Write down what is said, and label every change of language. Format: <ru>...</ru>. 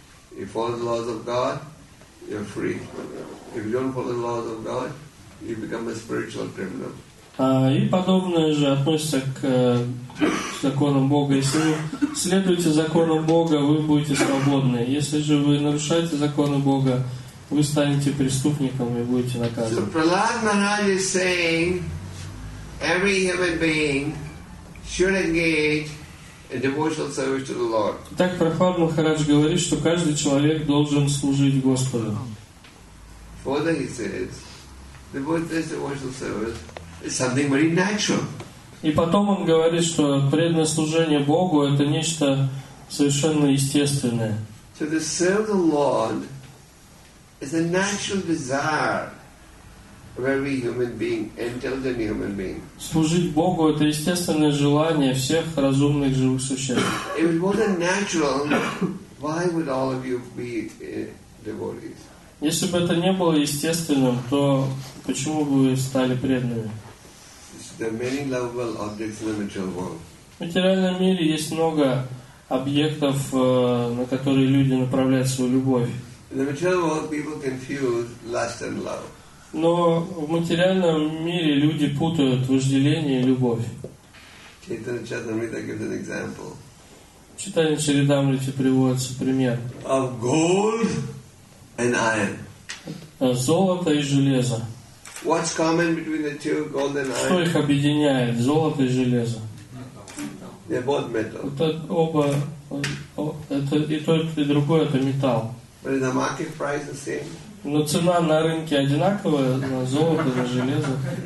<en>If you follow the laws of God, you're free. If you don't follow the laws of God, you become a spiritual criminal.</en> <ru>И подобное же относится к законам Бога. Если вы следуете законам Бога, вы будете свободны. Если же вы нарушаете законы Бога, вы станете преступником и будете наказаны.</ru> <en>So Prahlad Maharaj is saying, every human being should engage in devotional service to the Lord.</en> <ru>Так Прохлад Махарадж говорит, что каждый человек должен служить Господу.</ru> <en>Further, he says, devotional service is something very natural.</en> <ru>И потом он говорит, что преданное служение Богу это нечто совершенно естественное.</ru> <en>So to serve the Lord is a natural desire. Every human being, intelligent human being.</en> <ru>Служить Богу — это естественное желание всех разумных живых существ.</ru> <en>If it wasn't natural, why would all of you be devotees?</en> <ru>Если бы это не было естественным, то почему бы вы стали преданными?</ru> <en>There are many lovable objects in the material world.</en> <ru>В материальном мире есть много объектов, на которые люди направляют свою любовь.</ru> <en>In the material world, people confuse lust and love.</en> <ru>Но в материальном мире люди путают вожделение и любовь.</ru> <en>Chaitanya Charitamrita gives an example.</en> <ru>Читание Чаритамриты приводится пример.</ru> <en>Of gold and iron.</en> <ru>Золото и железо.</ru> <en>What's common between the two, gold and iron?</en> <ru>Что их объединяет, золото и железо?</ru> <en>They're both metal.</en> <ru>Это оба, это и тот, и другой, это металл.</ru> <en>But is the market price the same?</en> <ru>Но цена на рынке одинаковая, на золото, на железо.</ru>